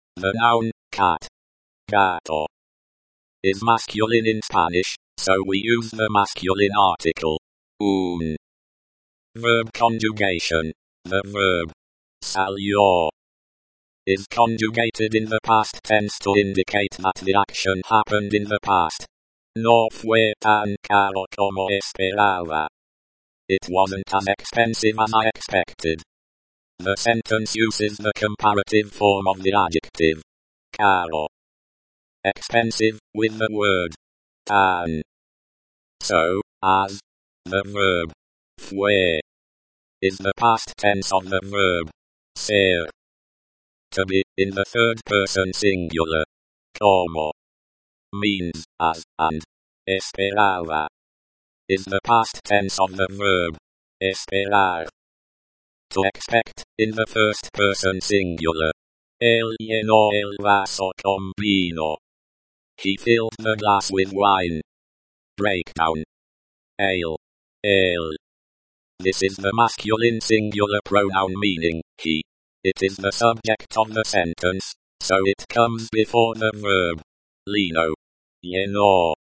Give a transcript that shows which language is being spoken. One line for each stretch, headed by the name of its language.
English: The noun, cat. Gato. Is masculine in Spanish, so we use the masculine article. Un. Verb conjugation. The verb. Salió. Is conjugated in the past tense to indicate that the action happened in the past.
Spanish: No fue tan caro como esperaba.
English: It wasn't as expensive as I expected. The sentence uses the comparative form of the adjective. Caro. Expensive, with the word. Tan. So, as. The verb. Fue. Is the past tense of the verb. Ser. To be, in the third person singular. Como. Means, as, and. Esperaba. Is the past tense of the verb. Esperar. To expect, in the first person singular.
Spanish: Él llenó el vaso con vino.
English: He filled the glass with wine. Breakdown. Ale. Ale. This is the masculine singular pronoun meaning, he. It is the subject of the sentence, so it comes before the verb. Lino. llenar.